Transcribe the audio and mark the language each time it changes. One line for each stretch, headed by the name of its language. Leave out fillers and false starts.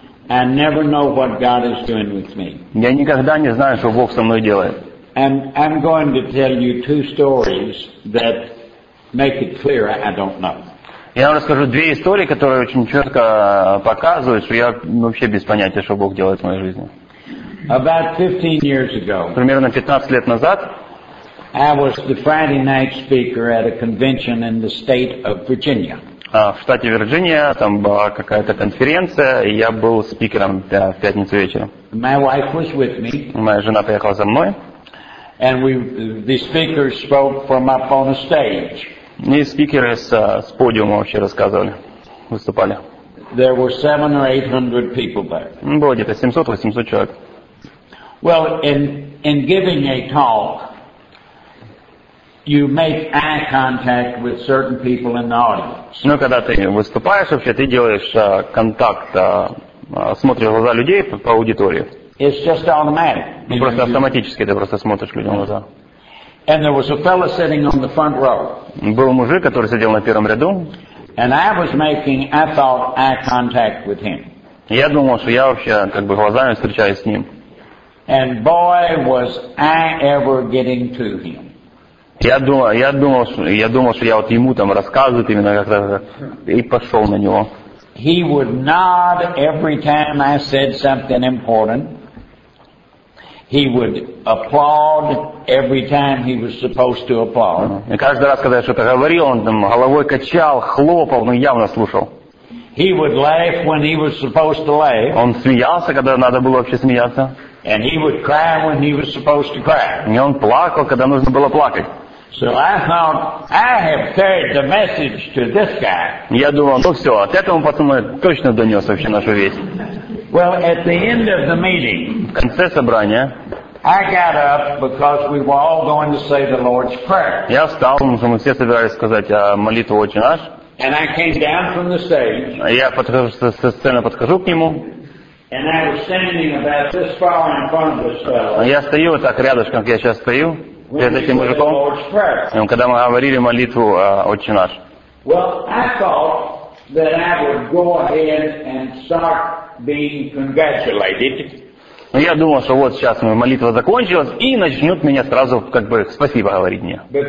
English: I never know what God is doing with me.
Russian: Я никогда не знаю, что Бог со мной делает.
English: And I'm going to tell you two stories that make it clear I don't know.
Russian: Я вам расскажу две истории, которые очень четко показывают, что я вообще без понятия, что Бог делает в моей жизни.
English: About 15 years ago,
Russian: примерно 15 лет назад,
English: I was the Friday night speaker at a convention in the state of Virginia.
Russian: В штате Вирджиния там была какая-то конференция, и я был спикером в пятницу вечером.
English: My wife was with me.
Russian: Моя жена поехала за мной.
English: And the speaker spoke from up on a stage.
Russian: И спикеры с подиума вообще рассказывали, выступали.
English: There were 700 or 800 people there.
Russian: Было где-то 700-800 человек.
English: Well, in giving a talk, you make eye contact with certain people in the audience.
Russian: Ну, когда ты выступаешь вообще, ты делаешь контакт, смотришь в глаза людей по аудитории.
English: It's just automatic.
Russian: Просто автоматически ты просто смотришь людям в глаза.
English: And there was a fellow sitting on the front row.
Russian: Был мужик, который сидел на первом ряду.
English: And I was making, I thought, eye contact with him.
Russian: Я думал, что я вообще как бы глазами встречаюсь с ним.
English: And boy, was I ever getting to him.
Russian: Я думал, что я вот ему там рассказываю именно как-то, и пошел на него.
English: He would nod every time I said something important. He would applaud every time he was supposed to applaud.
Russian: И каждый раз, когда я что-то говорил, он там головой качал, хлопал, но явно слушал.
English: He would laugh when he was supposed to laugh.
Russian: Он смеялся, когда надо было вообще смеяться.
English: And he would cry when he was supposed to cry.
Russian: И он плакал, когда нужно было плакать.
English: So I thought, I have carried the message to this guy.
Russian: Я думал, ну все, от этого пацана точно донес вообще нашу весть.
English: Well, at the end of the meeting,
Russian: в конце собрания,
English: I got up because we were all going to say the Lord's Prayer.
Russian: Я встал, потому что мы все собирались сказать молитву «Отче наш».
English: And I came down from the stage.
Russian: Я подхожу со сцены, подхожу к нему.
English: And I was standing about this far in front of this fellow.
Russian: Я стою вот так рядышком, как я сейчас стою, перед этим мужиком. Когда мы говорили молитву «Отче наш».
English: Well, I thought that I would go ahead and start being congratulated.
Russian: Ну, я думал, что вот сейчас молитва закончилась, и начнет меня сразу как бы спасибо говорить мне.